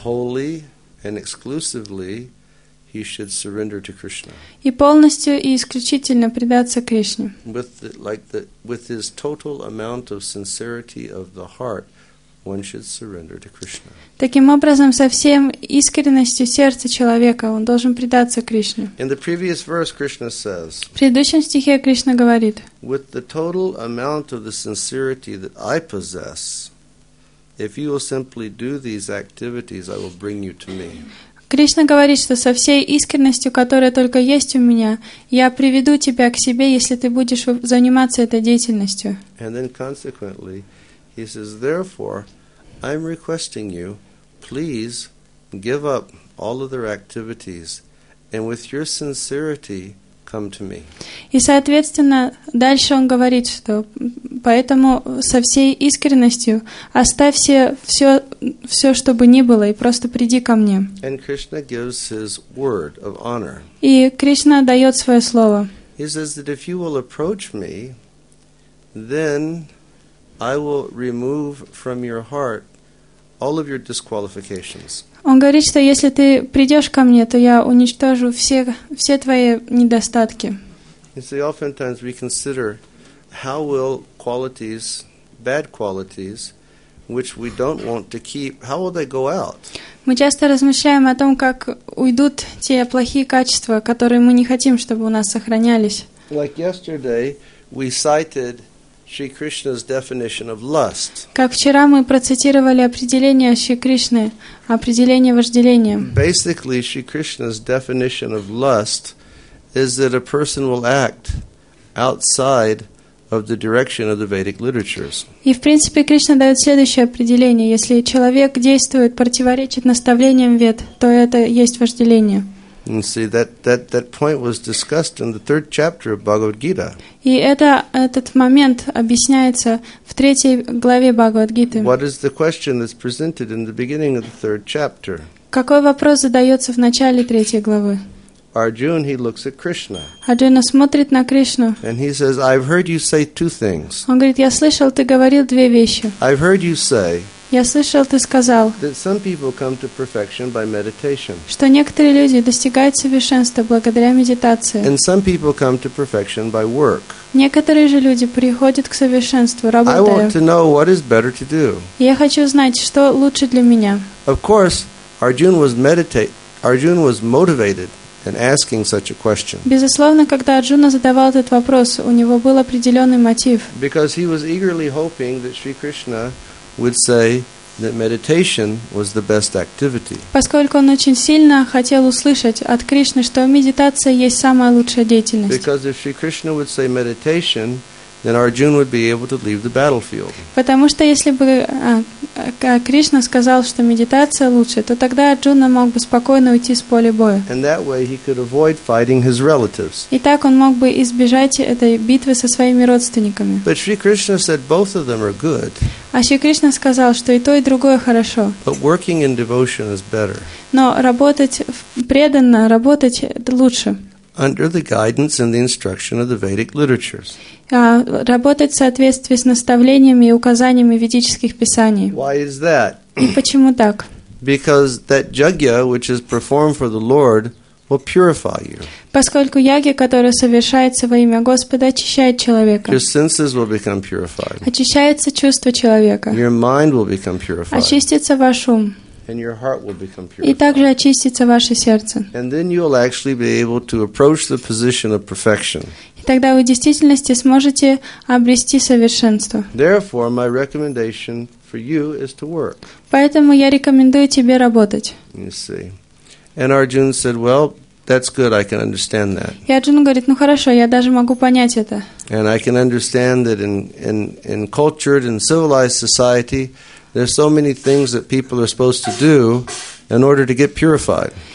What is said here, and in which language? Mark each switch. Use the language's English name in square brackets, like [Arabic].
[English] Wholly and exclusively he should surrender to Krishna. [Russian] И полностью и исключительно предаться Кришне. [English] With his total amount of sincerity of the heart, one should surrender to Krishna. [Russian] Таким образом, со всем искренностью сердца человека он должен предаться Кришне. [English] In the previous verse, Krishna says. [Russian] В предыдущем стихе Кришна говорит. [English] With the total amount of the sincerity that I possess, if you will simply do these activities, I will bring you to me. [Russian] Кришна говорит, что со всей искренностью, которая только есть у меня, я приведу тебя к себе, если ты будешь заниматься этой деятельностью. [English] And then consequently. He says, therefore, I'm requesting you, please give up all other activities and with your sincerity come to me. [Russian] И, соответственно, дальше он говорит, что поэтому со всей искренностью оставь все, чтобы ни было, и просто приди ко мне. [English] And Krishna gives his word of honor. [Russian] И Кришна дает свое слово. [English] He says that if you will approach me, then I will remove from your heart all of your disqualifications. [Russian] Он говорит, что если ты придешь ко мне, то я уничтожу все твои недостатки. [English] You see, oftentimes we consider how will qualities, bad qualities, which we don't want to keep, how will they go out? [Russian] Мы часто размышляем о том, как уйдут те плохие качества, которые мы не хотим, чтобы у нас сохранялись. [English] Like yesterday, we cited Shri Krishna's definition of lust. [Russian] Как вчера мы процитировали определение Шри Кришны, определение вожделения. [English] Basically, Shri Krishna's definition of lust is that a person will act outside of the direction of the Vedic literatures. [Russian] И в принципе Кришна дает следующее определение: если человек действует противоречит наставлениям Вед, то это есть вожделение. [English] And see that point was discussed in the third chapter of Bhagavad Gita. [Russian] И этот момент объясняется в третьей главе Бхагавад Гиты. [English] What is the question that's presented in the beginning of the third chapter? [Russian] Какой вопрос задается в начале третьей главы? [English] Arjuna, he looks at Krishna. [Russian] Арджуна смотрит на Кришну. [English] And he says, I've heard you say two things. [Russian] Он говорит, я слышал, ты говорил две вещи. [English] I've heard you say. [Russian] Я слышал, ты сказал, [English] that some people come to perfection by meditation. [Russian] Что некоторые люди достигают совершенства благодаря медитации. [English] And some people come to perfection by work. [Russian] Некоторые же люди приходят к совершенству, работая. [English] I want to know what is better to do. [Russian] Я хочу знать, что лучше для меня. [English] Of course, Arjuna was motivated in asking such a question. [Russian] Безусловно, когда Арджуна задавал этот вопрос, у него был определенный мотив. [English] Because he was eagerly hoping that Sri Krishna would say that meditation was the best activity. [Russian] Поскольку он очень сильно хотел услышать от Кришны, что медитация есть самая лучшая деятельность. [English] Because if Sri Krishna would say meditation, then Arjuna would be able to leave the battlefield. [Russian] Потому что если бы Кришна сказал, что медитация лучше, то тогда Арджуна мог бы спокойно уйти с поля боя. [English] And that way he could avoid fighting his relatives. [Russian] И так он мог бы избежать этой битвы со своими родственниками. [English] But Sri Krishna said both of them are good. [Russian] А Шри Кришна сказал, что и то, и другое хорошо. [English] But working in devotion is better. [Russian] Но работать преданно, работать это лучше. [English] Under the guidance and the instruction of the Vedic literatures. [Russian] Работать в соответствии с наставлениями и указаниями ведических писаний. [English] Why is that? [Russian] И почему так? [English] Because that jagya, which is performed for the Lord, will purify you. [Russian] Поскольку яги, которая совершается во имя Господа, очищает человека. [English] Your senses will become purified. [Russian] Очищается чувство человека. [English] Your mind will become purified. [Russian] Очистится ваш ум. [English] And your heart will become pure. [Russian] И также очистится ваше сердце. [English] And then you will actually be able to approach the position of perfection. [Russian] И тогда вы в действительности сможете обрести совершенство. [English] Therefore, my recommendation for you is to work. [Russian] Поэтому я рекомендую тебе работать. [English] You see. And Arjuna said, "Well, that's good. I can understand that." [Russian] И Арджуна говорит, ну хорошо, я даже могу понять это. [English] And I can understand that in cultured and civilized society. There's so many things that people are supposed to do in order to get purified.